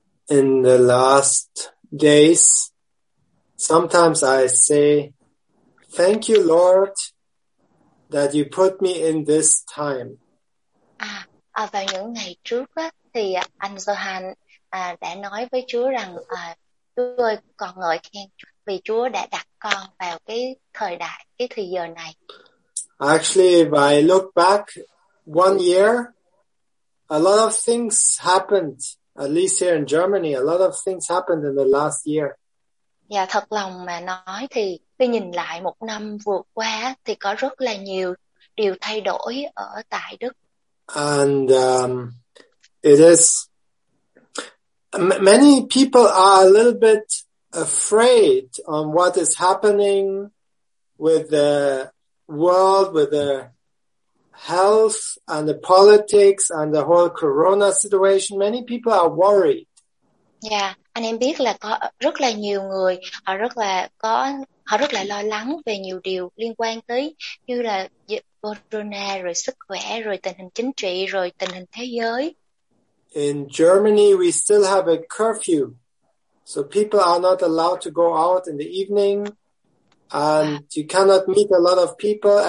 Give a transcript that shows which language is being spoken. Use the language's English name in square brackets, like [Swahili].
[English] In the last days, sometimes I say, thank you, Lord, that you put me in this time. [Vietnamese] À, vào những ngày trước á, thì anh Johan đã nói với Chúa rằng Chúa ơi, con ngợi khen vì Chúa đã đặt con vào cái thời đại, cái thời giờ này. [English] Actually, if I look back 1 year, a lot of things happened, at least here in Germany, a lot of things happened in the last year. [Vietnamese] Dạ, thật lòng mà nói thì khi nhìn lại một năm vừa qua thì có rất là nhiều điều thay đổi ở tại Đức. [English] And it is, many people are a little bit afraid on what is happening with the world, with the health and the politics and the whole corona situation. Many people are worried. [Vietnamese] Yeah, anh em biết là có rất là nhiều người họ rất là lo lắng về nhiều điều liên quan tới như là corona, rồi sức khỏe, rồi tình hình chính trị, rồi tình hình thế giới. [English] In Germany, we still have a curfew. So people are not allowed to go out in the evening. And you cannot meet a lot of people.